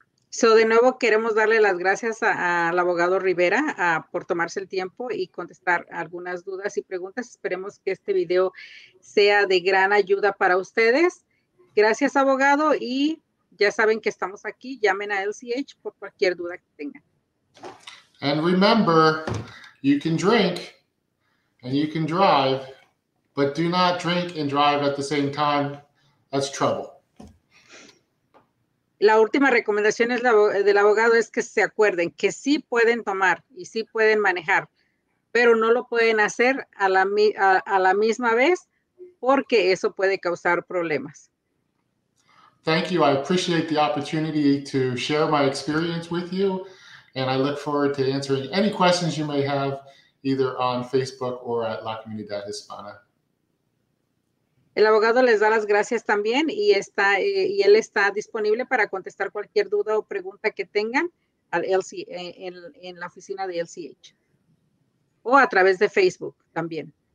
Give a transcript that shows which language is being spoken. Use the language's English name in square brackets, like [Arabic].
[Spanish] So, de nuevo, queremos darle las gracias al abogado Rivera por tomarse el tiempo y contestar algunas dudas y preguntas. Esperemos que este video sea de gran ayuda para ustedes. Gracias, abogado, y ya saben que estamos aquí. Llamen a LCH por cualquier duda que tengan. [English] And remember, you can drink and you can drive, but do not drink and drive at the same time. That's trouble. [Spanish] La última recomendación del abogado es que se acuerden que sí pueden tomar y sí pueden manejar, pero no lo pueden hacer a la misma vez porque eso puede causar problemas. [English] Thank you. I appreciate the opportunity to share my experience with you. And I look forward to answering any questions you may have either on Facebook or at La Comunidad Hispana. [Spanish] El abogado les da las gracias también y él está disponible para contestar cualquier duda o pregunta que tengan en la oficina de LCH o a través de Facebook también.